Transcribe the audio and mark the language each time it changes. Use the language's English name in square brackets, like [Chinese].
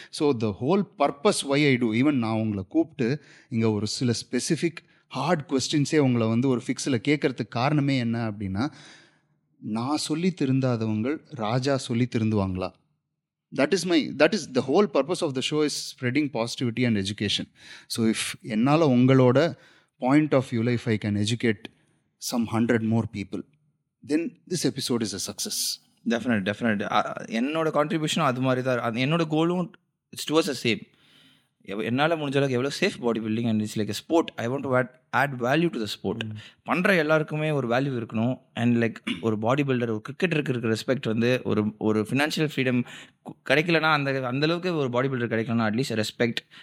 [English] so the whole purpose why I do even [Tamil] நான் உங்களை கூப்பிட்டு இங்கே ஒரு சில ஸ்பெசிஃபிக் ஹார்ட் குவஸ்டின்ஸே உங்களை வந்து ஒரு ஃபிக்ஸில் கேட்கறதுக்கு காரணமே என்ன அப்படின்னா நான் சொல்லி திருந்தாதவங்க ராஜா சொல்லி திருந்துவாங்களா? [English] That is my that is the whole purpose of the show is spreading positivity and education. So if [Tamil] என்னால் உங்களோட [English] Point of view life I can educate some 100 more people, then this episode is a success. Definitely, definitely. [Tamil] என்னோட கான்ட்ரிபியூஷனும் அது மாதிரி தான். என்னோட கோலும் [English] It's towards a same. [Tamil] என்னால் முடிஞ்ச அளவுக்கு எவ்வளோ [English] Safe body building and it's like sport, I want to add value to the sport. [Tamil] பண்ணுற எல்லாருக்குமே ஒரு வேல்யூ இருக்கணும். அண்ட் லைக் ஒரு பாடி பில்டர், ஒரு கிரிக்கெட்டருக்கு இருக்கிற ரெஸ்பெக்ட் வந்து ஒரு ஒரு ஃபினான்ஷியல் ஃப்ரீடம் கிடைக்கலன்னா அந்த அந்தளவுக்கு ஒரு பாடி பில்டர் கிடைக்கலனா அட்லீஸ்ட் ரெஸ்பெக்ட்.